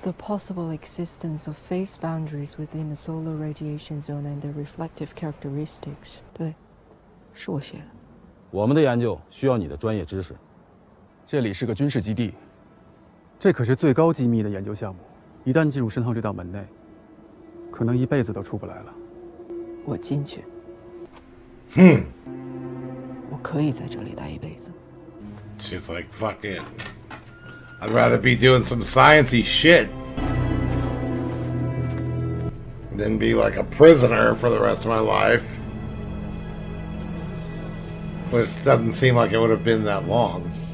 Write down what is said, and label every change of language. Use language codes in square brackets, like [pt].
[en] the possible existence of phase boundaries within the solar radiation zone and their reflective characteristics. [zh] 对，是我写的。我们的研究需要你的专业知识。这里是个军事基地，这可是最高机密的研究项目，一旦进入深号这道门内，可能一辈子都出不来了。我进去。哼，我可以在这里待一辈子。 [en] She's like, fuck it. I'd rather be doing some science-y shit than be like a prisoner for the rest of my life. Which doesn't seem like it would have been that long.